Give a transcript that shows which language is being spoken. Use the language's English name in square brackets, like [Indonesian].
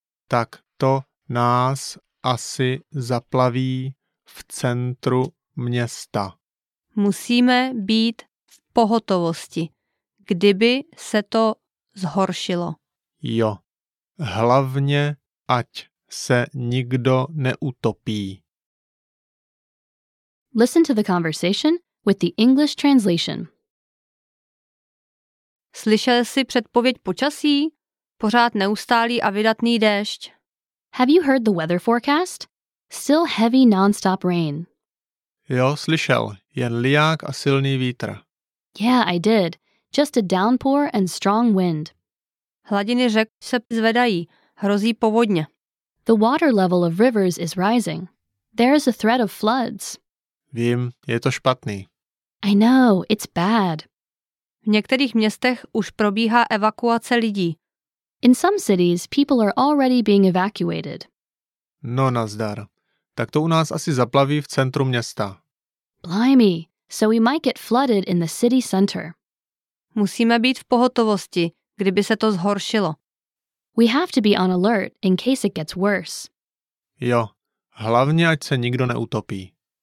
[Czech] Tak to nás asi zaplaví v centru města. Musíme být v pohotovosti, kdyby se to zhoršilo. Jo, hlavně ať se nikdo neutopí. [English] Listen to the conversation with the English translation. [Czech] Slyšel jsi předpověď počasí? Pořád neustálý a vydatný déšť. [English] Have you heard the weather forecast? Still heavy non-stop rain. [Czech] Jo, slyšel. Jen liák a silný vítr. [English] Yeah, I did. Just a downpour and strong wind. [Czech] Hladiny řek se zvedají. Hrozí povodně. [English] The water level of rivers is rising. There is a threat of floods. [Czech] Vím, je to špatný. [English] I know, it's bad. [Czech] V některých městech už probíhá evakuace lidí. [English] In some cities, people are already being evacuated. [Czech] No nazdar. Tak to u nás asi zaplaví v centru města. [English] Blimey, so we might get flooded in the city center. [Czech] Musíme být v pohotovosti, kdyby se to zhoršilo. [English] We have to be on alert in case it gets worse. [Czech] Jo, hlavně ať se nikdo neutopí.